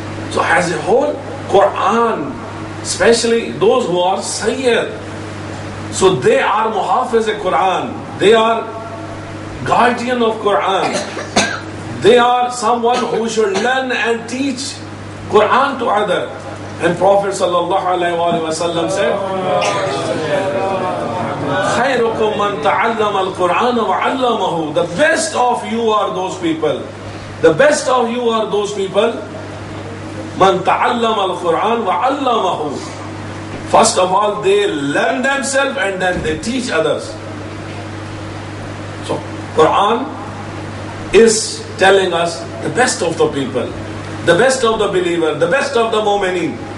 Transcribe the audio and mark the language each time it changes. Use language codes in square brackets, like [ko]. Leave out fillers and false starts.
[en] So as a whole, Quran, especially those who are Sayyid, so they are Muhafiz of Quran, they are guardian of Quran, they are someone who should learn and teach Quran to others. And Prophet ﷺ said, [ar] خَيْرُكُمْ مَنْ تَعَلَّمَ الْقُرْآنَ وَعَلَّمَهُ. [en] The best of you are those people. The best of you are those people. [ar] مَنْ تَعَلَّمَ الْقُرْآنَ وَعَلَّمَهُ. [en] First of all, they learn themselves and then they teach others. So, Quran is telling us the best of the people, the best of the believer, the best of the mu'mineen.